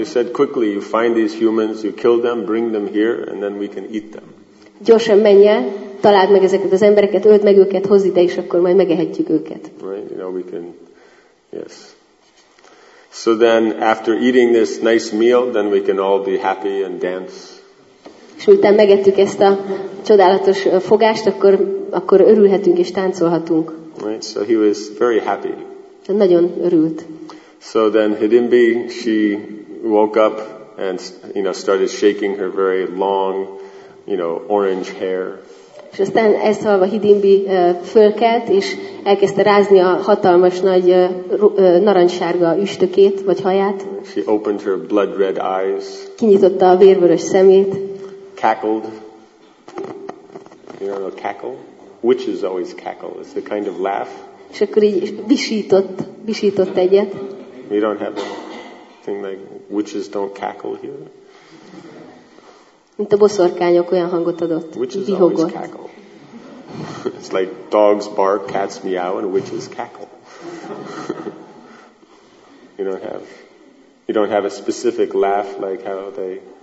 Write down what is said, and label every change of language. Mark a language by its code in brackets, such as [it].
[en] So he said, quickly, you find these humans, you kill them, bring them here, and then we can eat them. [hu] Gyorsan menj el, találd meg ezeket az embereket, öld meg őket, hozz ide, és akkor majd megehetjük őket. [en] Right, you know, we can, yes. So then, after eating this nice meal, then we can all be happy and dance. [hu] És miután megettük ezt a csodálatos fogást, akkor örülhetünk és táncolhatunk. [en] Right, so he was very happy. [hu] Nagyon örült. [en] So then Hidimbi, she woke up and, you know, started shaking her very long, you know, orange hair. [hu] És aztán ezt hallva Hidimbi fölkelt, és elkezdte rázni a hatalmas nagy narancssárga üstökét, vagy haját. [en] She opened her blood red eyes. [hu] Kinyitotta a vérvörös szemét. [en] Cackled. You know, cackle? Witches always cackle. It's a kind of laugh. [hu] És akkor így visított egyet. [en] We don't have anything like witches don't cackle here. [hu] Mint a boszorkányok olyan hangot adott. [en] Witches always cackle. It's like dogs bark, cats meow, and witches cackle. You don't have a specific laugh like how they.